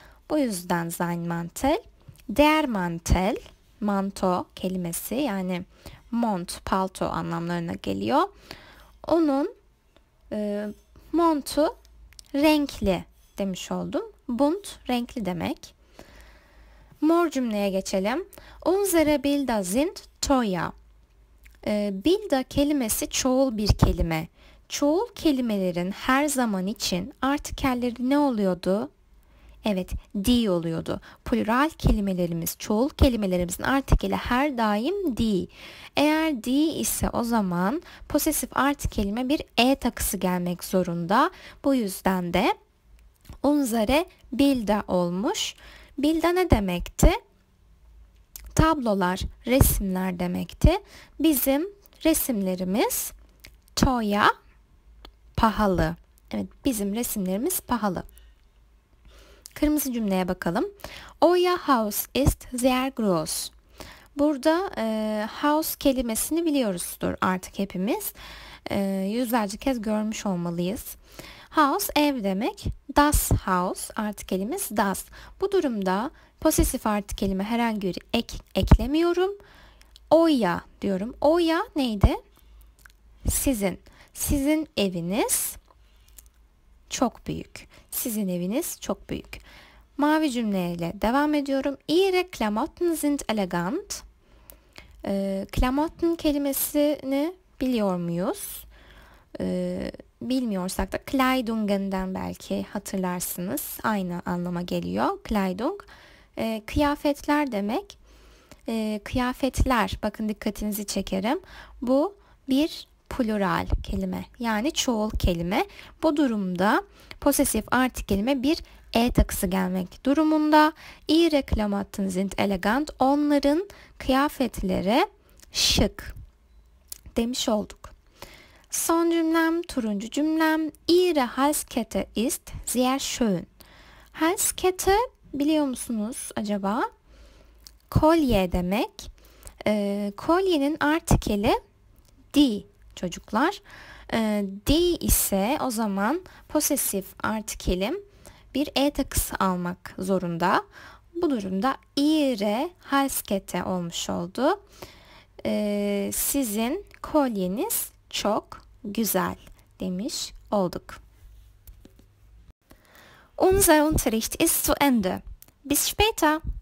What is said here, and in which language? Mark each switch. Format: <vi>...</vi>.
<tr>Bu yüzden</tr> <de>sein mantel.</de> <tr>Der mantel, manto kelimesi, yani mont, palto anlamlarına geliyor. Onun montu renkli demiş oldum. Bunt renkli demek. Mor cümleye geçelim.</tr> <de>Unsere Bilder sind teuer.</de> <tr>Bilder kelimesi çoğul bir kelime. Çoğul kelimelerin her zaman için artikelleri ne oluyordu? Evet, die oluyordu. Plural kelimelerimiz, çoğul kelimelerimizin artikeli her daim die. Eğer die ise o zaman posesif artikelime bir e takısı gelmek zorunda. Bu yüzden de</tr> <de>unsere Bilder</de> <tr>olmuş. Bilder ne demekti? Tablolar, resimler demekti. Bizim resimlerimiz teuer, pahalı. Evet, bizim resimlerimiz pahalı. Kırmızı cümleye bakalım.</tr> <de>Euer Haus ist sehr groß.</de> <tr>Burada Haus kelimesini biliyoruzdur artık hepimiz. Yüzlerce kez görmüş olmalıyız. Haus ev demek.</tr> <de>Das Haus</de> <tr>artikelimiz das. Bu durumda posesif artikelime herhangi bir eklemiyorum. Euer diyorum. Euer neydi? Sizin. Sizin eviniz çok büyük. Sizin eviniz çok büyük. Mavi cümleyle devam ediyorum.</tr> <de>Ihre Klamotten sind elegant.</de> <tr>Klamotten kelimesini biliyor muyuz? Bilmiyorsak da Kleidungen'den belki hatırlarsınız. Aynı anlama geliyor. Kleidung. Kıyafetler demek. Kıyafetler. Bakın dikkatinizi çekerim. Bu bir plural kelime, yani çoğul kelime. Bu durumda posesif artikelime bir e takısı gelmek durumunda.</tr> <de>Ihre Klamotten sind elegant.</de> <tr>Onların kıyafetleri şık demiş olduk. Son cümlem, turuncu cümlem.</tr> <de>Ihre Halskette ist sehr schön.</de> <tr>Halskette biliyor musunuz acaba? Kolye demek. Kolyenin artikeli die. Çocuklar. Die ise o zaman posesif artikelim bir e takısı almak zorunda. Bu durumda</tr> <de>ihre Halskette</de> <tr>olmuş oldu. Sizin kolyeniz çok güzel demiş olduk.</tr> <de>Unser Unterricht ist zu Ende. Bis später!</de>